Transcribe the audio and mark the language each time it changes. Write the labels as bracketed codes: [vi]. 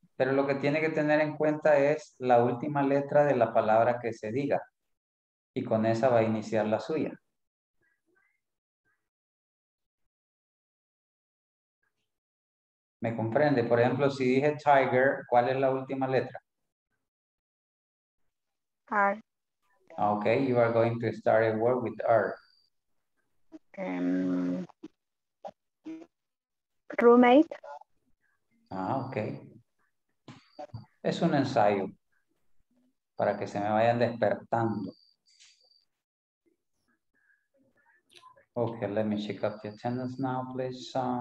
[es] Pero lo que tiene que tener en cuenta es la última letra de la palabra que se diga. Y con esa va a iniciar la suya. ¿Me comprende? Por ejemplo, si dije tiger, ¿cuál es la última letra? R. [en] Okay, you are going to start a word with R. Roommate. Ah, okay. [es] Es un ensayo para que se me vayan despertando. [en] Okay, let me check up the attendance now, please.